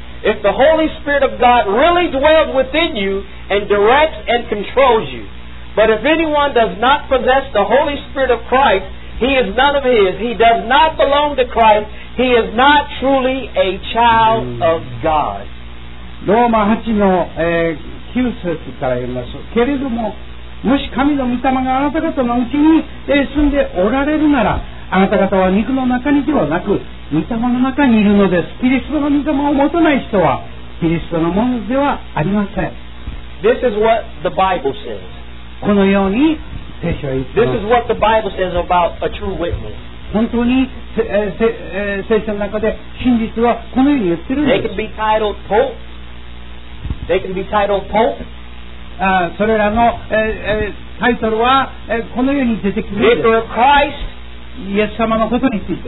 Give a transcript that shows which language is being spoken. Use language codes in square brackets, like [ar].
[en] If the Holy Spirit of God really dwells within you and directs and controls you. But if anyone does not possess the Holy Spirit of Christ, he is none of his. He does not belong to Christ. He is not truly a child of God. [ja] ローマ8の、9節から言いますけれども、もし神の御霊があなた方のうちに、住んでおられるなら、あなた方は肉の中にではなく御霊の中にいるのです。キリストの御霊を持たない人はキリストのものではありません。 [en] This is what the Bible says. [ja] このように聖書は言っています。 [en] This is what the Bible says about a true witness. [ja] 本当に、聖書の中で真実はこのように言ってるんです。 [en] They can be titled Pope. They can be titled Pope. [ja] それらの、タイトルは、このように出てくるんです。 [en] Vicar of Christ. [ja] イエス様のことについて。